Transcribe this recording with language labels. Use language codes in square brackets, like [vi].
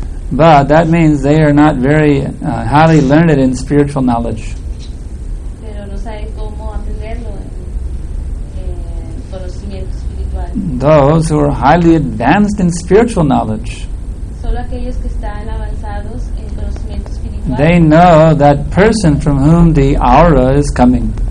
[en] But that means they are not very highly learned in spiritual knowledge. [es] Pero no sabe cómo aprenderlo en conocimiento espiritual. [en] Those who are highly advanced in spiritual knowledge, [es] solo aquellos que están avanzados en conocimiento espiritual, [en] they know that person from whom the aura is coming.